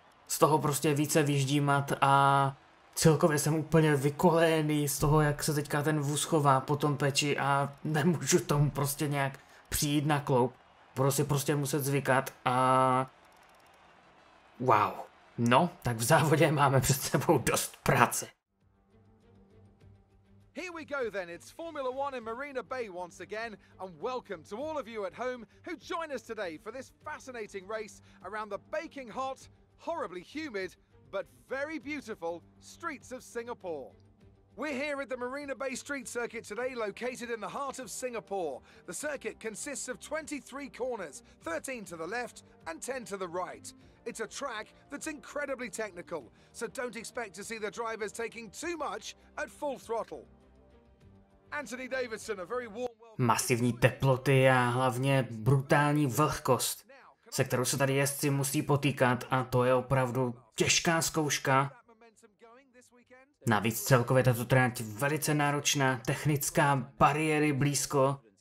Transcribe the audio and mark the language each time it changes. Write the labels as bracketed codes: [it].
[cs] Z toho prostě více vyždímat a celkově jsem úplně vykolejený z toho, jak se teďka ten vůz chová po tom peči a nemůžu tomu prostě nějak přijít na kloup, budu si prostě muset zvykat a wow. No, tak v závodě máme před sebou dost práce. [en] Here we go then, it's Formula One in Marina Bay once again, and welcome to all of you at home who join us today for this fascinating race around the baking hot, horribly humid, but very beautiful streets of Singapore. We're here at the Marina Bay Street Circuit today, located in the heart of Singapore. The circuit consists of 23 corners, 13 to the left and 10 to the right. It's a track that's incredibly technical, so don't expect to see the drivers taking too much at full throttle. Anthony Davidson, a very warm welcome. [cs] Masivní teploty a hlavně brutální vlhkost, se kterou se tady jezdci musí potýkat, a to je opravdu těžká zkouška. Navíc celkově tato trať velice náročná, technická, bariéry blízko.